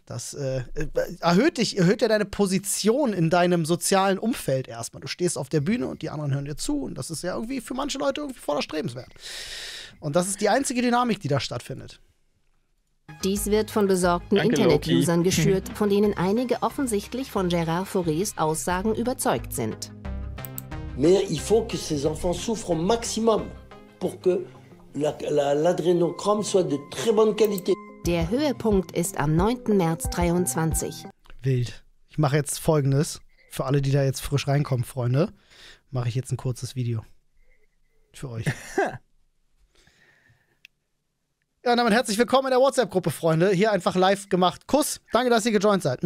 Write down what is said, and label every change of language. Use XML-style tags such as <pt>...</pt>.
<de>Das erhöht ja deine Position in deinem sozialen Umfeld erstmal. Du stehst auf der Bühne und die anderen hören dir zu und das ist ja irgendwie für manche Leute irgendwie voll erstrebenswert. Und das ist die einzige Dynamik, die da stattfindet. Dies wird von besorgten Internet-Usern geschürt, von denen einige offensichtlich von Gérard Fauriers Aussagen überzeugt sind.</de> <fr>Mais il faut que ces enfants souffrent au maximum pour que l'adrénochrome soit de très bonne qualité.</fr> <de>Der Höhepunkt ist am 9. März 23. Wild. Ich mache jetzt Folgendes. Für alle, die da jetzt frisch reinkommen, Freunde, mache ich jetzt ein kurzes Video. Für euch. Ja, damit herzlich willkommen in der WhatsApp-Gruppe, Freunde. Hier einfach live gemacht. Kuss. Danke, dass ihr gejoint seid.</de>